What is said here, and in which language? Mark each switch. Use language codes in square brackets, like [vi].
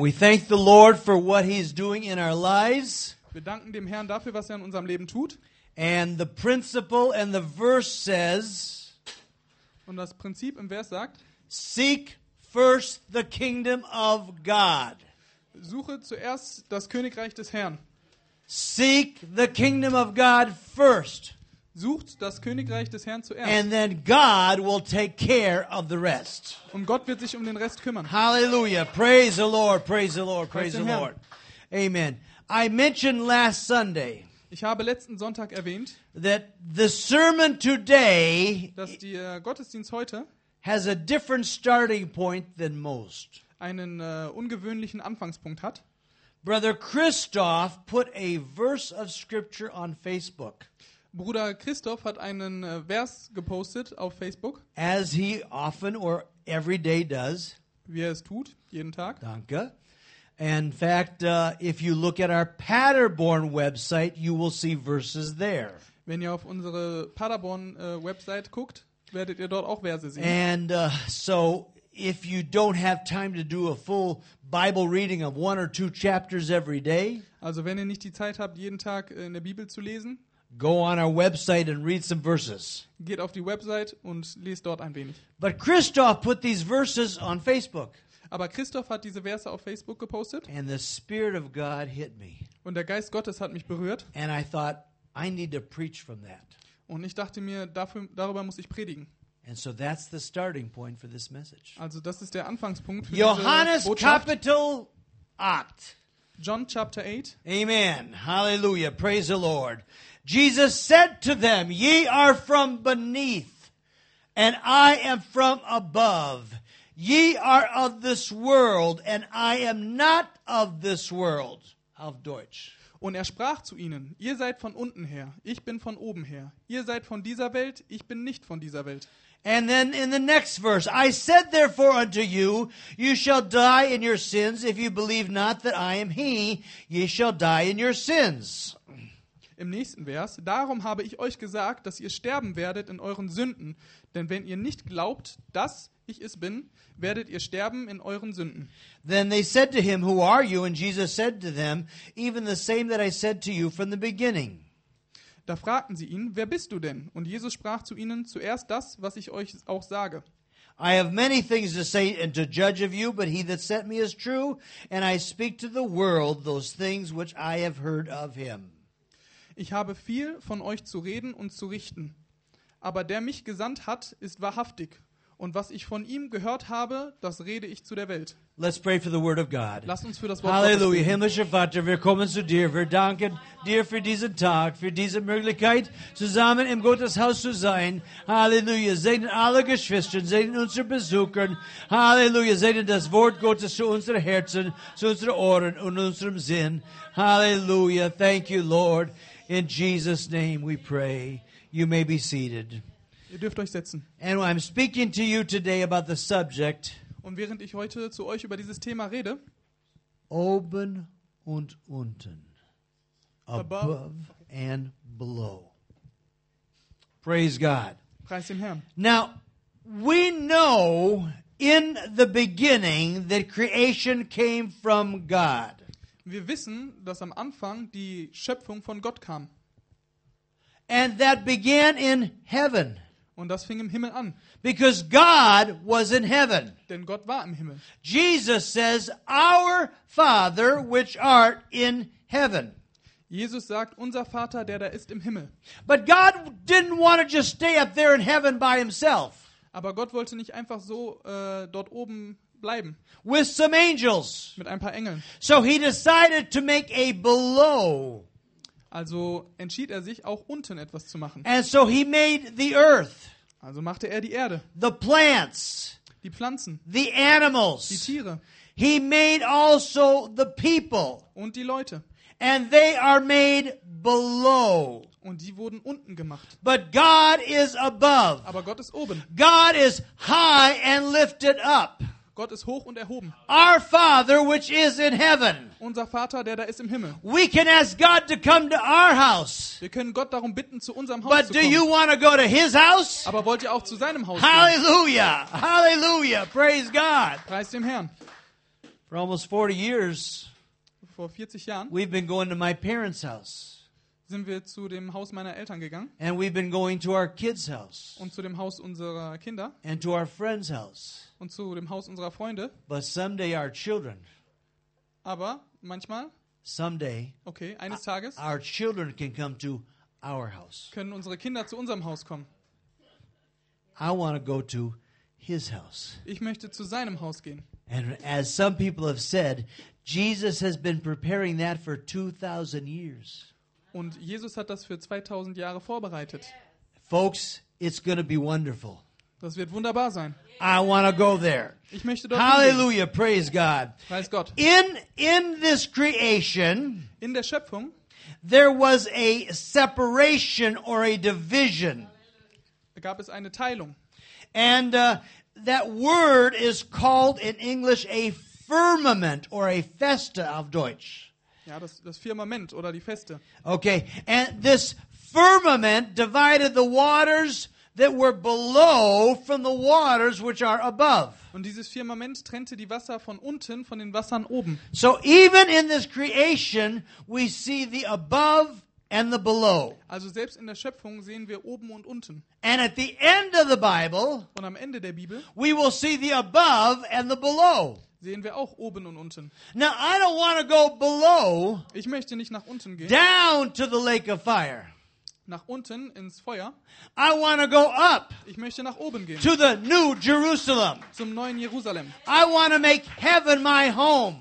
[en] We thank the Lord for what he's doing in our lives. [de] Wir danken dem Herrn dafür, was er in unserem Leben tut. [en] And the principle and the verse says, [de] und das Prinzip im Vers sagt, [en] seek first the kingdom of God. [de] Suche zuerst das Königreich des Herrn. [en] Seek the kingdom of God first. [de] Sucht das Königreich des Herrn zuerst. [en] And then God will take care of the rest. [de] Und Gott wird sich um den Rest kümmern. [en] Hallelujah. Praise the Lord. Praise the Lord. Praise the Lord. Amen. I mentioned last Sunday. [de] Ich habe letzten Sonntag erwähnt, [en] that the sermon today, [de] dass der Gottesdienst heute, [en] has a different starting point than most. [de] Einen ungewöhnlichen Anfangspunkt hat. [en] Brother Christoph put a verse of scripture on Facebook. [de] Bruder Christoph hat einen Vers gepostet auf Facebook. [en] As he often or every day does. [de] Wie er es tut, jeden Tag. Danke. [en] In fact, if you look at our Paderborn website, you will see verses there. [de] Wenn ihr auf unsere Paderborn Website guckt, werdet ihr dort auch Verse sehen. [en] And so if you don't have time to do a full Bible reading of one or two chapters every day, [de] also wenn ihr nicht die Zeit habt, jeden Tag in der Bibel zu lesen, [en] go on our website and read some verses. [de] Geht auf die Website und lest dort ein wenig. [en] But Christoph put these verses on Facebook. [de] Aber Christoph hat diese Verse auf Facebook gepostet. [en] And the Spirit of God hit me. [de] Und der Geist Gottes hat mich berührt. [en] And I thought, I need to preach from that. [de] Und ich dachte mir, darüber muss ich predigen. [en] And so that's the starting point for this message. [de] Also das ist der Anfangspunkt für Johannes diese Botschaft. Kapitel 8. [en] John chapter 8. Amen. Hallelujah. Praise the Lord. Jesus said to them, ye are from beneath, and I am from above. Ye are of this world, and I am not of this world. [de] Auf Deutsch. Und er sprach zu ihnen, ihr seid von unten her, ich bin von oben her. Ihr seid von dieser Welt, ich bin nicht von dieser Welt. [en] And then in the next verse, I said therefore unto you, you shall die in your sins, if you believe not that I am he, ye shall die in your sins. [de] Im nächsten Vers, darum habe ich euch gesagt, dass ihr sterben werdet in euren Sünden. Denn wenn ihr nicht glaubt, dass ich es bin, werdet ihr sterben in euren Sünden. [en] Then they said to him, who are you? And Jesus said to them, even the same that I said to you from the beginning. [de] Da fragten sie ihn, wer bist du denn? Und Jesus sprach zu ihnen, zuerst das, was ich euch auch sage. [en] I have many things to say and to judge of you, but he that sent me is true, and I speak to the world those things which I have heard of him. [de] Ich habe viel von euch zu reden und zu richten. Aber der mich gesandt hat, ist wahrhaftig. Und was ich von ihm gehört habe, das rede ich zu der Welt. [en] Let's pray for the word of God. [de] Lass uns für das Wort Gottes beten. Halleluja, himmlischer Vater, wir kommen zu dir. Wir danken dir für diesen Tag, für diese Möglichkeit, zusammen im Gotteshaus zu sein. Halleluja, segne alle Geschwister, segne unsere Besucher. Halleluja, segne das Wort Gottes zu unseren Herzen, zu unseren Ohren und unserem Sinn. [en] Halleluja, thank you, Lord. In Jesus' name we pray. You may be seated. [de] Ihr dürft euch setzen. [en] And I'm speaking to you today about the subject. [de] Und während ich heute zu euch über dieses Thema rede, oben und unten, [en] above and below. Praise God. [de] Preis dem Herrn. [en] Now, we know in the beginning that creation came from God. [de] Wir wissen, dass am Anfang die Schöpfung von Gott kam. [en] And that began in heaven. [de] Und das fing im Himmel an. [en] Because God was in heaven. [de] Denn Gott war im Himmel. [en] Jesus says, our Father which art in heaven. [de] Jesus sagt, unser Vater, der da ist im Himmel. [en] But God didn't want to just stay up there in heaven by himself. [de] Aber Gott wollte nicht einfach so dort oben bleiben. [en] With some angels. [de] Mit ein paar Engeln. [en] So he decided to make a below. [de] Also entschied er sich, auch unten etwas zu machen. [en] And so he made the earth. [de] Also machte er die Erde. [en] The plants. [de] Die Pflanzen. [en] The animals. [de] Die Tiere. [en] He made also the people. [de] Und die Leute. [en] And they are made below. [de] Und die wurden unten gemacht. [en] But God is above. [de] Aber Gott ist oben. [en] God is high and lifted up. [de] Gott ist hoch und erhoben. [en] Our Father, which is in heaven. [de] Unser Vater, der da ist im Himmel. [en] We can ask God to come to our house. [de] Wir können Gott darum bitten, zu unserem Haus [en] But [de] zu kommen. [en] But do you want to go to His house? [de] Aber wollt ihr auch zu seinem Haus Hallelujah. Gehen? [en] Hallelujah! Hallelujah! Praise God! [de] Preist dem Herrn. [en] For almost 40 years, [de] vor 40 Jahren, [en] we've been going to my parents' house. [de] Sind wir zu dem Haus meiner Eltern gegangen? [en] And we've been going to our kids' house. [de] Und zu dem Haus unserer Kinder? [en] And to our friends' house. [de] Und zu dem Haus unserer Freunde? [en] But someday our children. [de] Aber manchmal? [en] Someday. [de] Okay, eines Tages. [en] Our children can come to our house. [de] Können unsere Kinder zu unserem Haus kommen? [en] I want to go to his house. [de] Ich möchte zu seinem Haus gehen. [en] And as some people have said, Jesus has been preparing that for 2000 years. [de] Und Jesus hat das für 2000 Jahre vorbereitet. [en] Folks, it's going to be wonderful. [de] Das wird wunderbar sein. [en] I want to go there. [de] Ich möchte dort Hallelujah, hingehen. [en] Praise God. Praise Gott. In this creation, [de] in der Schöpfung, [en] there was a separation or a division. [de] Da gab es eine Teilung. [en] And that word is called in English a firmament or a festa [de] auf Deutsch. Ja, das Firmament oder die Feste. [en] Okay, and this firmament divided the waters that were below from the waters which are above. [de] Und dieses Firmament trennte die Wasser von unten von den Wassern oben. [en] So even in this creation we see the above and the below. [de] Also selbst in der Schöpfung sehen wir oben und unten. [en] And at the end of the Bible, [de] und am Ende der Bibel, [en] we will see the above and the below. [de] Sehen wir auch oben und unten. [en] Now I don't want to go below. [de] Ich möchte nicht nach unten gehen. [en] Down to the lake of fire. [de] Nach unten ins Feuer. [en] I want to go up. [de] Ich möchte nach oben gehen. [en] To the new Jerusalem. [de] Zum neuen Jerusalem. [en] I want to make heaven my home.